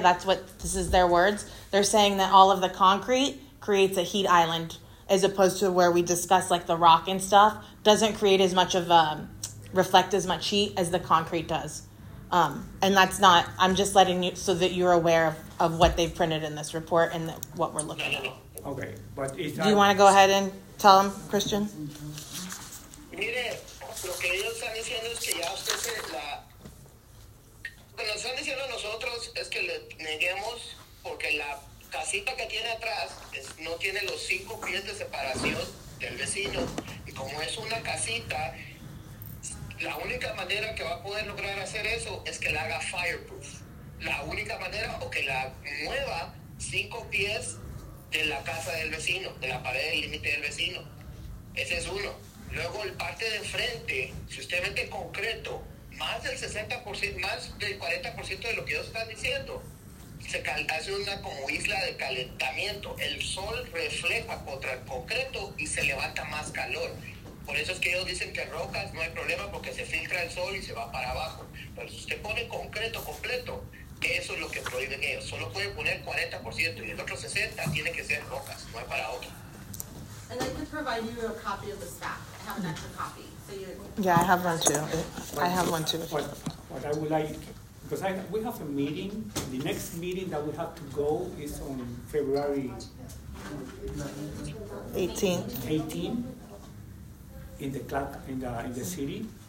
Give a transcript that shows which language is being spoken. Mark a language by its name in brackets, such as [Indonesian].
[English] That's what this is their words. They're saying that all of the concrete creates a heat island, as opposed to where we discuss like the rock and stuff, doesn't create as much of a reflect as much heat as the concrete does. And that's not, I'm just letting you so that you're aware of what they've printed in this report and what we're looking at. Okay. But do you want to go ahead and tell them, Christian? [Spanish] Mire, lo que ellos están diciendo es que ya usted se la. Lo que nos están diciendo nosotros es que le neguemos porque la casita que tiene atrás no tiene los 5 pies de separación del vecino. Y como es una casita, la única manera que va a poder lograr hacer eso es que la haga fireproof. La única manera, o que la mueva 5 pies de la casa del vecino, de la pared del límite del vecino. Ese es uno. Luego, el parte de frente, si usted mete concreto, más del 60%, más del 40% de lo que ellos están diciendo, hace una como isla de calentamiento. El sol refleja contra el concreto y se levanta más calor. Por eso es que ellos dicen que rocas no hay problema porque se filtra el sol y se va para abajo. Pero si usted pone concreto completo, eso es lo que prohíben ellos. Solo pueden poner 40% y el otro 60% tiene que ser rocas, no hay para otro. [English] And I could provide you a copy of the staff. I have an extra copy. Yeah, I have one too. I have one too. What I would like, because we have a meeting. The next meeting that we have to go is on February 18th in the club in the city.